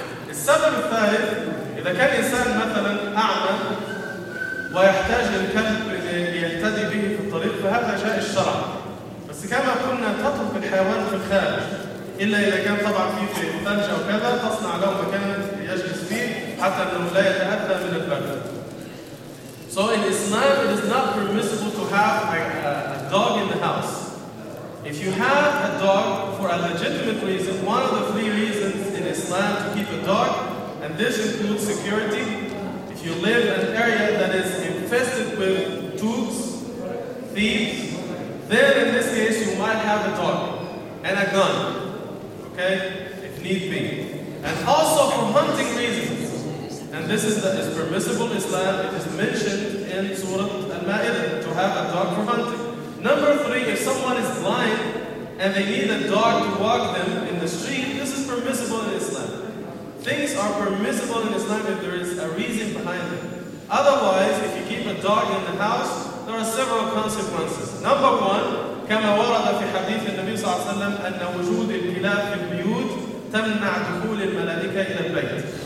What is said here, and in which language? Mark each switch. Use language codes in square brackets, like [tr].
[ar] السبب الثالث، إذا كان إنسان مثلا أعمى ويحتاج الكلب ليهتدي به في الطريق، فهذا جائز شرعا. بس تترك الحيوان في الخارج الا اذا كان طبعا فيه في ثلج او كذا، تصنع له مكان يجلس فيه حتى انه لا يتاذى من البرد. [en] So in Islam, it is not permissible to have a dog in the house. If you have a dog for a legitimate reason, one of the three reasons in Islam to keep a dog, and this includes security. If you live in an area that is infested with toots, thieves, then in this case you might have a dog and a gun, okay, if need be. And also for hunting reasons. And this is permissible Islam, it is mentioned in Surah Al-Ma'idah, to have a dog for hunting. Number three, if someone is blind and they need a dog to walk them in the street, this is permissible in Islam. Things are permissible in Islam if there is a reason behind them. Otherwise, if you keep a dog in the house, there are several consequences. Number one, [ar] كما ورد في حديث النبي صلى الله عليه وسلم أن وجود الكلاب في البيوت تمنع دخول الملائكة إلى البيت.